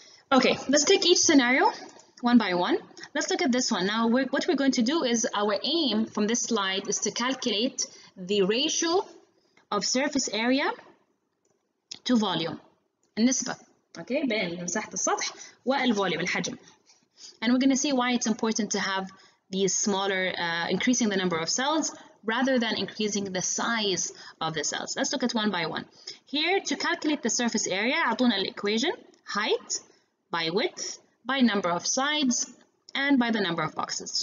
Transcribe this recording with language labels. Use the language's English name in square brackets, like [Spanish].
[English] Okay, let's take each scenario one by one. Let's look at this one. Now, what we're going to do is our aim from this slide is to calculate the ratio of surface area to volume. [Arabic] النسبة. Okay, بين مساحة السطح والفوليوم, الحجم. [English] And we're going to see why it's important to have these smaller, increasing the number of cells, rather than increasing the size of the cells. Let's look at one by one. Here, to calculate the surface area, [Arabic] عطونا الإكواجن, [English] height by width, by number of sides, and by the number of boxes.